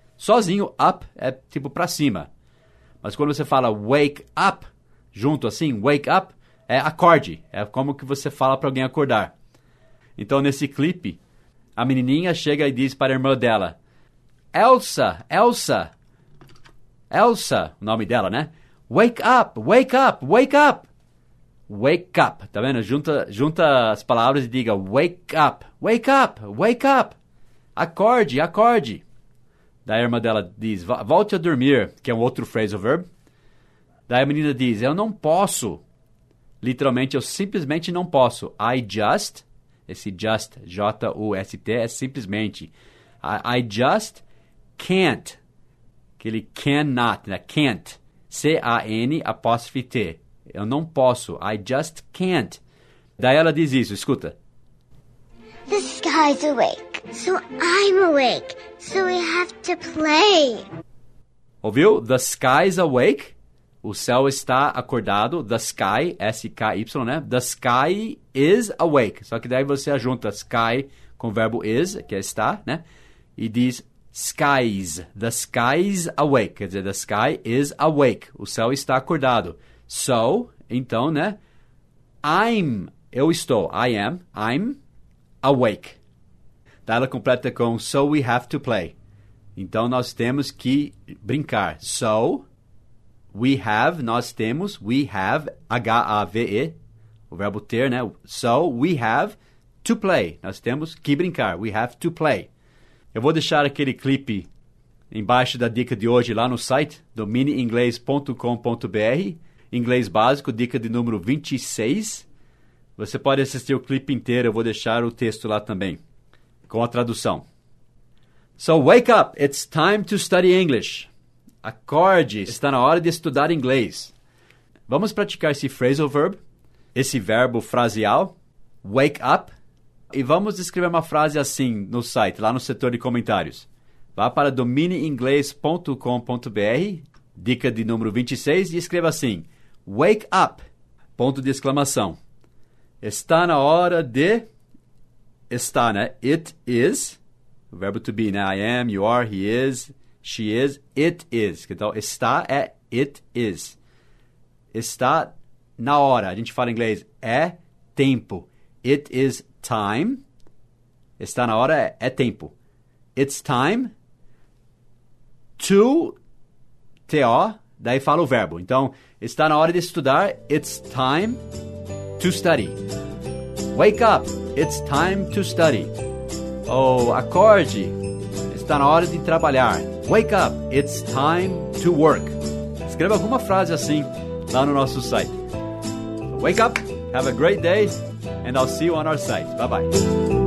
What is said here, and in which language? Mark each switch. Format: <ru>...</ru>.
<pt>Sozinho, up é tipo para cima. Mas quando você fala wake up, junto assim, wake up, é acorde. É como que você fala para alguém acordar. Então, nesse clipe, a menininha chega e diz para a irmã dela, Elsa, Elsa, Elsa, o nome dela, né?</pt> <en>Wake up, wake up, wake up. Wake up,</en> <pt>tá vendo? Junta as palavras e diga wake up, wake up, wake up. Acorde, acorde. Daí a irmã dela diz, volte a dormir, que é um outro phrasal verb. Daí a menina diz, eu não posso. Literalmente, eu simplesmente não posso. I just, esse just, J-U-S-T, é simplesmente.</pt> <en>I just can't.</en> <pt>Aquele cannot, né?</pt> <en>Can't.</en> <pt>C-A-N apóstrofe T. Eu não posso.</pt> <en>I just can't.</en> <pt>Daí ela diz isso, escuta.</pt> <en>The sky's awake, so I'm awake, so we have to play.</en> <pt>Ouviu?</pt> <en>The sky's awake.</en> <pt>O céu está acordado.</pt> <en>The sky, S-K-Y,</en> <pt>né?</pt> <en>The sky is awake.</en> <pt>Só que daí você junta sky com o verbo is, que é estar, né? E diz skies. The sky's awake. Quer dizer,</pt> <en>the sky is awake.</en> <pt>O céu está acordado.</pt> <en>So,</en> <pt>então, né?</pt> <en>I'm,</en> <pt>eu estou.</pt> <en>I am, I'm awake.</en> <pt>Daí ela completa com so we have to play. Então, nós temos que brincar. So, we have, nós temos, we have, H-A-V-E, o verbo ter, né?</pt> <en>So, we have to play.</en> <pt>Nós temos que brincar.</pt> <en>We have to play.</en> <pt>Eu vou deixar aquele clipe embaixo da dica de hoje lá no site do miniinglês.com.br. Inglês básico, dica de número 26. Você pode assistir o clipe inteiro, eu vou deixar o texto lá também, com a tradução.</pt> <en>So, wake up, it's time to study English.</en> <pt>Acorde, está na hora de estudar inglês. Vamos praticar esse phrasal verb, esse verbo fraseal, wake up. E vamos escrever uma frase assim no site, lá no setor de comentários. Vá para dominiinglês.com.br, dica de número 26, e escreva assim, wake up, ponto de exclamação. Está na hora de, está, né?</pt> <en>It is, o verbo to be, né? I am, you are, he is, she is, it is.</en> <pt>Então, está é it is. Está na hora. A gente fala em inglês, é tempo.</pt> <en>It is time.</en> <pt>Está na hora é tempo.</pt> <en>It's time to,</en> <pt>T-O, daí fala o verbo. Então, está na hora de estudar.</pt> <en>It's time to study. Wake up, it's time to study.</en> <pt>Oh, acorde, está na hora de trabalhar.</pt> <en>Wake up, it's time to work.</en> <pt>Escreva alguma frase assim lá no nosso site.</pt> <en>Wake up, have a great day, and I'll see you on our site. Bye-bye.</en>